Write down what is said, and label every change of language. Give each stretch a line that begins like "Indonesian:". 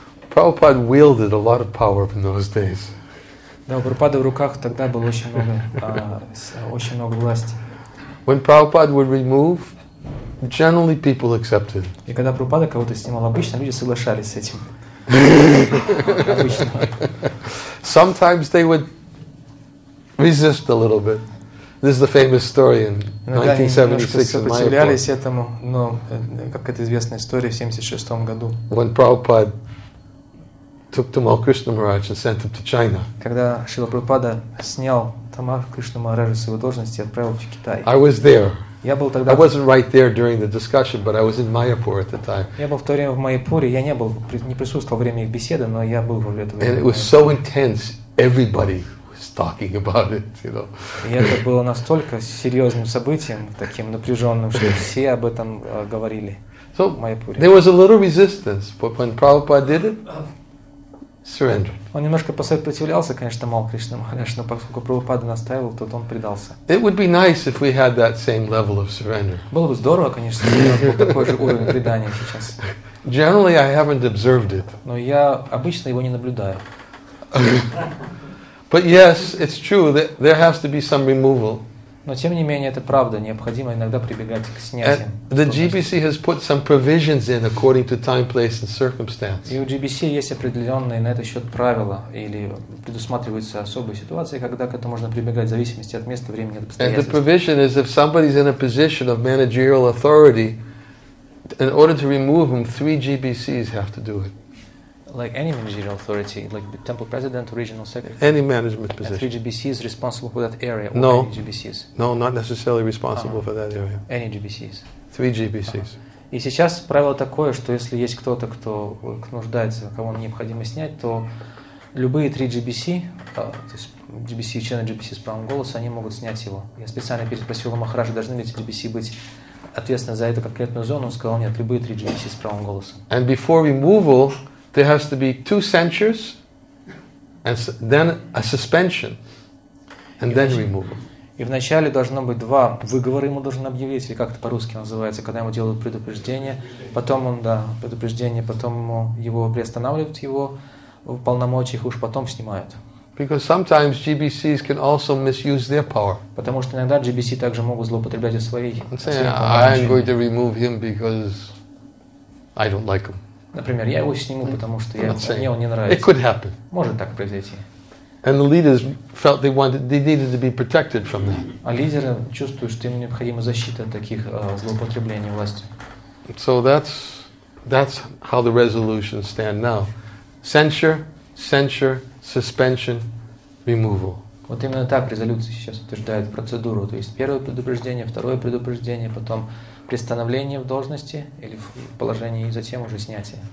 English: Prabhupada wielded a lot of power in those days.
Russian: Да, у Прабхупады в руках тогда было очень много власти.
English: When Prabhupada would remove, generally people accepted.
Russian: И когда Прабхупада кого-то снимал, обычно люди соглашались с этим.
English: Sometimes they would resist a little bit. This is the famous story in 1976 in my book.
Russian: Но как это известная история в 76 году.
English: When Prabhupada took Tamal Krishna Maharaj and sent him to China.
Russian: Когда Шрила Прабхупада снял Тамал Кришна Махараджа с его должности и отправил в Китай.
English: I was there.
Russian: Я был тогда.
English: I wasn't right there during the discussion, but I was in Mayapur at the time.
Russian: Я был в то время в Майяпуре. Я не был, не присутствовал во время их беседы, но я был во время этого.
English: And it was so intense. Everybody was talking about it, you know.
Russian: И это было настолько серьезным событием, таким напряженным, что все об этом говорили.
English: So
Russian: в Майяпуре.
English: There was a little resistance, but when Prabhupada did it, surrender.
Russian: Он немножко посопротивлялся, конечно, Мал Кришна Махарадж, но поскольку Прабхупада настаивал, тот он предался.
English: It would be nice if we had that same level of surrender.
Russian: Было бы здорово, конечно, если бы у нас был такой же уровень предания сейчас.
English: Generally, I haven't observed it.
Russian: Но я обычно его не наблюдаю.
English: But yes, it's true that there has to be some removal.
Russian: Но тем не менее это правда, необходимо иногда прибегать к снятиям.
English: The GBC has put some provisions in according to time, place, and circumstance.
Russian: И у GBC есть определенные на этот счет правила или предусматриваются особые ситуации, когда к этому можно прибегать в зависимости от места, времени, от обстоятельств.
English: And the provision is if somebody's in a position of managerial authority, in order to remove him, three GBCs have to do it. Like any managerial authority, like the temple president, regional secretary. Any management position. And 3GBC is responsible for that area. No. Or any GBCs. No, not necessarily responsible for that area. Any GBCs. 3GBCs.
Russian: И сейчас правило такое, что если есть кто-то, кто нуждается, кого необходимо снять, то любые 3GBC, то есть GBC, члены GBC с правом голоса, они могут снять его. Я специально переспросил у Махараджа, должны ли эти GBC быть ответственны за эту конкретную зону, он сказал, нет, любые 3GBC с правом голоса.
English: And before removal, there has to be two censures, and then a suspension, and then removal.
Russian: И вначале должно быть два выговора ему должны объявить, или как это по-русски называется, когда ему делают предупреждение, потом он, да, предупреждение, потом ему, его приостанавливают, его в полномочиях уж потом снимают.
English: Because sometimes GBCs can also misuse their power.
Russian: Потому что иногда GBC также могут злоупотреблять и своей.
English: And say, I'm going to remove him because I don't like him.
Russian: Например, я его сниму, потому что мне он не нравится.
English: It could happen.
Russian: Может так произойти.
English: And the leaders felt they wanted, they needed to be protected from that.
Russian: А лидеры чувствуют, что им необходима защита от таких злоупотреблений властью.
English: So that's how the resolutions stand now. Censure, suspension, removal.
Russian: Вот именно так резолюция сейчас утверждает процедуру. То есть первое предупреждение, второе предупреждение, потом приостановление в должности или в положении, и затем уже снятие.